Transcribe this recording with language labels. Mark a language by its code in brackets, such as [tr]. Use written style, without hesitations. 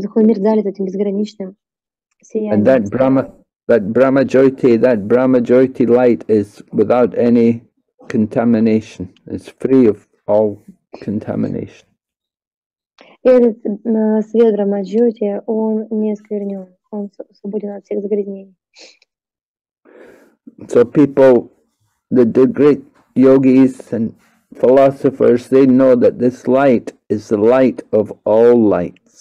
[ru] Духовный мир залит этим безграничным сиянием. [en] And that Brahmajyoti light is without any contamination. It's free of all contamination. [ru] И этот свет Брахмаджоти, он не осквернен, он свободен от всех загрязнений. [en] So people, the great yogis and philosophers, they know that this light is the light of all lights.